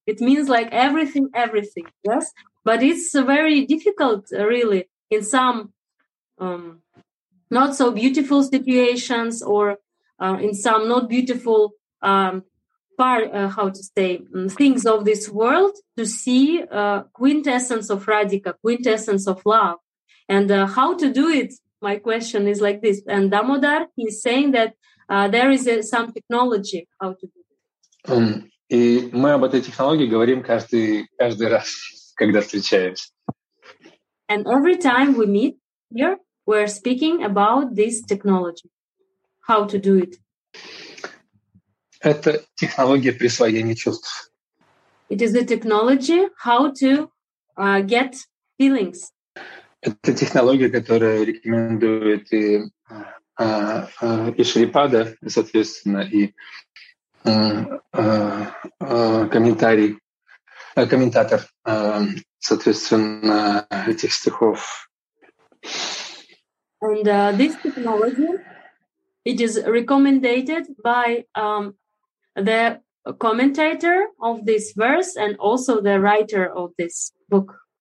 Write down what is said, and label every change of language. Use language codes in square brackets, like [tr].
[en] It means like everything. Yes, but it's very difficult, really, in some not so beautiful situations or in some not beautiful things of this world to see quintessence of Radhika, quintessence of love. And how to do it? My question is like this. And Damodar, he's saying that there is some technology how to do it. [ru] И мы об этой технологии говорим каждый раз, когда встречаемся. [en] And every time we meet here, we're speaking about this technology, how to do it. [ru] Это технология присвоения чувств. [en] It is the technology how to get feelings. [ru] Это технология, которую рекомендует и Шрипада, соответственно, и комментатор, соответственно, этих стихов. [en] And this technology, it is recommended by the commentator of this verse and also the writer of this book.